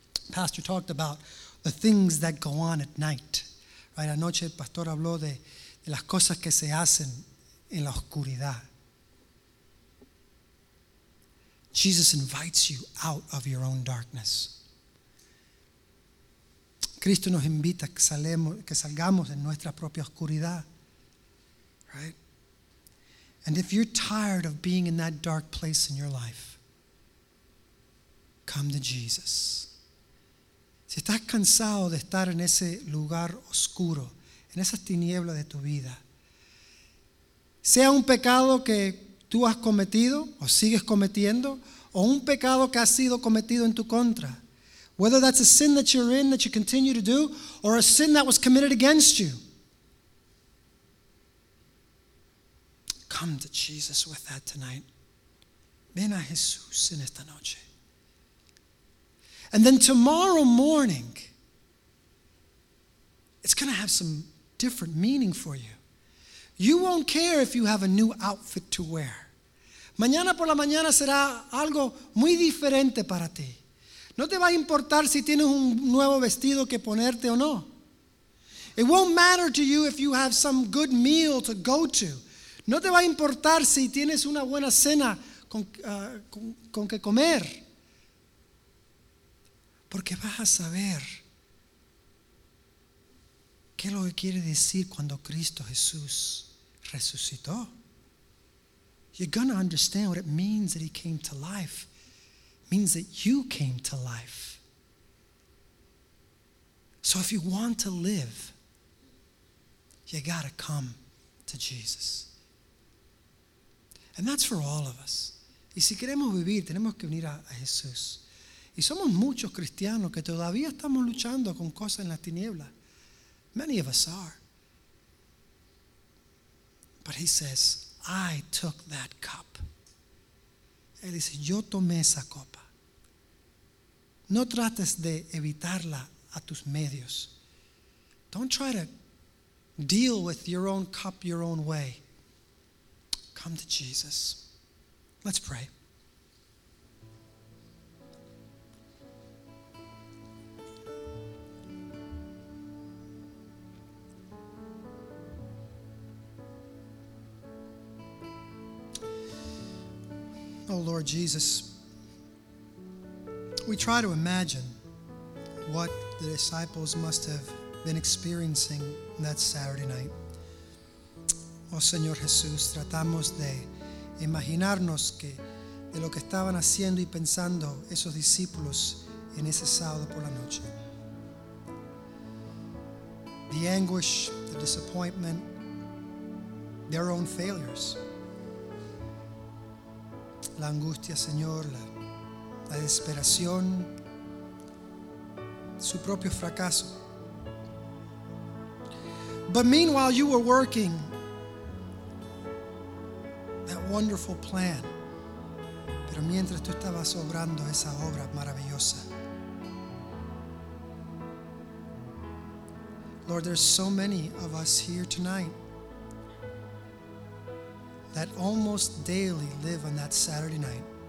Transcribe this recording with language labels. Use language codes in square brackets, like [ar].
[en] Pastor talked about the things that go on at night. Right? [es] Anoche el pastor habló de las cosas que se hacen en la oscuridad. [en] Jesus invites you out of your own darkness. [es] Cristo nos invita que salgamos de nuestra propia oscuridad. [en] Right? And if you're tired of being in that dark place in your life, come to Jesus. [es] Si estás cansado de estar en ese lugar oscuro, en esas tinieblas de tu vida, sea un pecado que tú has cometido o sigues cometiendo, o un pecado que ha sido cometido en tu contra. [en] Whether that's a sin that you're in that you continue to do, or a sin that was committed against you. Come to Jesus with that tonight. [es] Ven a Jesús en esta noche. [en] And then tomorrow morning, it's going to have some different meaning for you. You won't care if you have a new outfit to wear. [es] Mañana por la mañana será algo muy diferente para ti. No te va a importar si tienes un nuevo vestido que ponerte o no. [en] It won't matter to you if you have some good meal to go to. [es] No te va a importar si tienes una buena cena con que comer. Porque vas a saber qué es lo que quiere decir cuando Cristo Jesús resucitó. [en] You're going to understand what it means that he came to life. It means that you came to life. So if you want to live, you got to come to Jesus. And that's for all of us. [es] Y si queremos vivir, tenemos que venir a Jesús. Y somos muchos cristianos que todavía estamos luchando con cosas en las tinieblas. [en] Many of us are. But he says, I took that cup. [es] Él dice, yo tomé esa copa. No trates de evitarla a tus medios. [en] Don't try to deal with your own cup your own way. Come to Jesus. Let's pray. Oh Lord Jesus, we try to imagine what the disciples must have been experiencing that Saturday night. [es] Oh Señor Jesús, tratamos de imaginarnos que de lo que estaban haciendo y pensando esos discípulos en ese sábado por la noche. [en] The anguish, the disappointment, their own failures. [es] La angustia, Señor, la desesperación, su propio fracaso. [en] But meanwhile, you were working that wonderful plan. [es] Pero mientras tú estabas obrando esa obra maravillosa. [en] Lord, there's so many of us here tonight that almost daily live on that Saturday night.